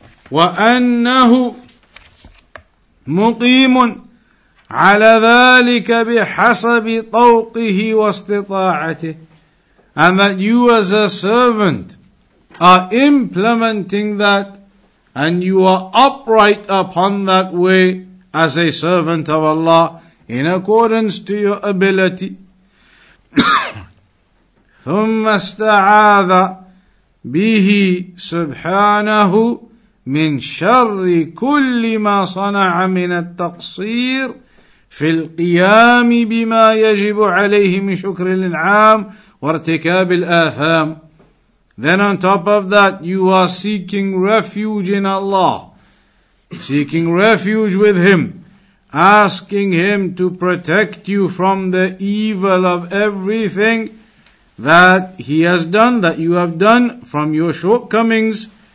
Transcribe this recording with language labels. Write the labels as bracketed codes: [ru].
[ar] وَأَنَّهُ مُقِيمٌ عَلَى ذَٰلِكَ بِحَسَبِ طَوْقِهِ وَاسْتِطَاعَتِهِ. [en] And that you as a servant are implementing that, and you are upright upon that way as a servant of Allah in accordance to your ability. [ar] ثُمَّ اسْتَعَاذَ بِهِ سُبْحَانَهُ مِنْ شَرِّ كُلِّ مَا صَنَعَ مِنَ التَّقْصِيرِ في القيام بما يجب عليه من شكر الانعام وارتكاب الآثام. [en] Then on top of that, you are seeking refuge in Allah, seeking refuge with Him, asking Him to protect you from the evil of everything that He has done, that you have done, from your shortcomings,